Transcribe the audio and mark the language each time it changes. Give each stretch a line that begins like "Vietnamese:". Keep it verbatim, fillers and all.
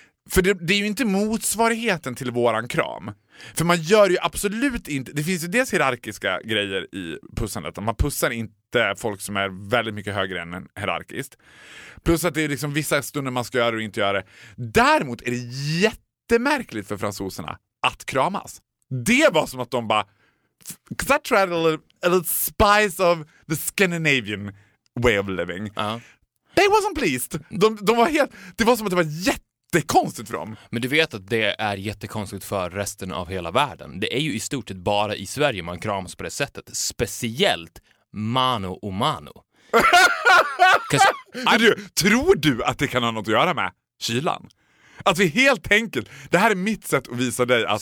Swedish: För det, det är ju inte motsvarigheten till våran kram. För man gör ju absolut inte... Det finns ju dels hierarkiska grejer i pussandet. Man pussar inte folk som är väldigt mycket högre än hierarkiskt. Plus att det är liksom vissa stunder man ska göra det och inte göra det. Däremot är det jättemärkligt för fransoserna att kramas. Det var som att de bara...
English: Because I tried a little, a little spice of the Scandinavian way of living. Uh-huh. They wasn't pleased.
Swedish: De, de var helt... Det var som att det var jätte... Det är konstigt för dem. Men du vet att det är jättekonstigt för resten av hela världen. Det är ju i stort sett bara i Sverige man kramas på det sättet. Speciellt mano och mano. du, tror du att det kan ha något att göra med kylan? Att vi helt enkelt, det här är mitt sätt att visa dig att